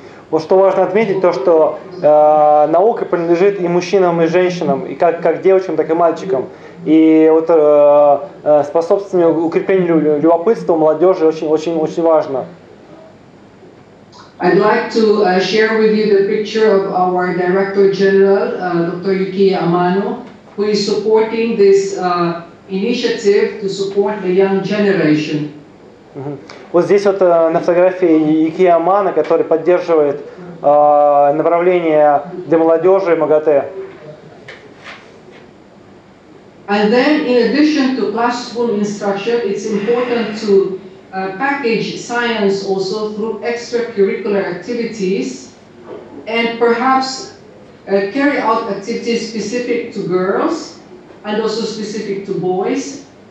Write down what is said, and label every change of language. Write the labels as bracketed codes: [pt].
[ru] Вот что важно отметить, то что наука принадлежит и мужчинам, и женщинам, и как девочкам, так и мальчикам. И вот способствование укреплению любопытства у молодежи очень важно. [en] I'd like to share with you the picture of our Director General, Dr. Yuki Amano, who is supporting this initiative to support the young generation. [ru] Вот здесь вот на фотографии Юки Амано, который поддерживает направление для молодежи МАГАТЭ. [en] And then, in addition to classroom instruction, it's important to package science also through extracurricular activities and perhaps carry out activities specific to girls and also specific to boys.